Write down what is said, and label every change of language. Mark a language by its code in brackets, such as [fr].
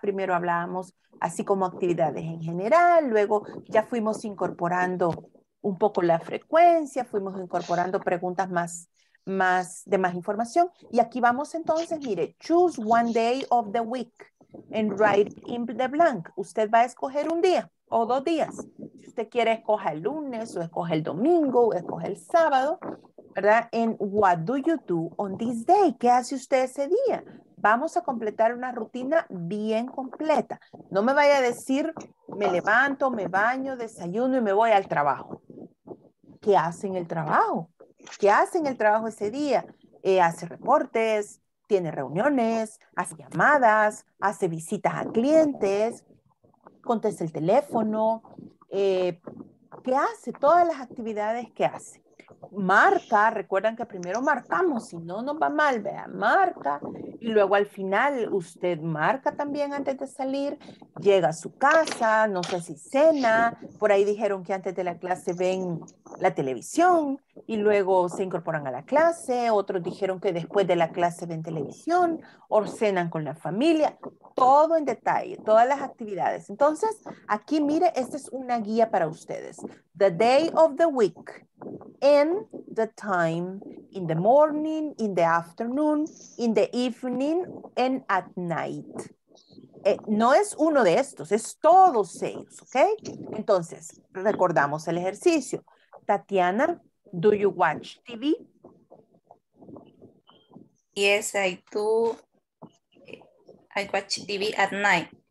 [es] Primero hablábamos así como actividades en general, luego ya fuimos incorporando un poco la frecuencia, fuimos incorporando preguntas más información. Y aquí vamos entonces, mire, [en] choose one day of the week and write in the blank. [es] Usted va a escoger un día o dos días. Si usted quiere, escoja el lunes o escoge el domingo o escoge el sábado, ¿verdad? [en] And what do you do on this day? [es] ¿Qué hace usted ese día? Vamos a completar una rutina bien completa. No me vaya a decir, me levanto, me baño, desayuno y me voy al trabajo. ¿Qué hace en el trabajo? ¿Qué hace en el trabajo ese día? Hace reportes, tiene reuniones, hace llamadas, hace visitas a clientes, contesta el teléfono. ¿Qué hace? Todas las actividades que hace. Marca, recuerdan que primero marcamos, si no nos va mal, vea, marca, y luego al final usted marca también antes de salir, llega a su casa, no sé si cena, por ahí dijeron que antes de la clase ven la televisión y luego se incorporan a la clase, otros dijeron que después de la clase ven televisión o cenan con la familia, todo en detalle, todas las actividades. Entonces, aquí mire, esta es una guía para ustedes. [en] The day of the week. In the time, in the morning, in the afternoon, in the evening, and at night. [es] No es uno de estos, es todos ellos, ¿ok? Entonces, recordamos el ejercicio. Tatiana, [en] do you watch TV? Yes, I do. I watch TV at night.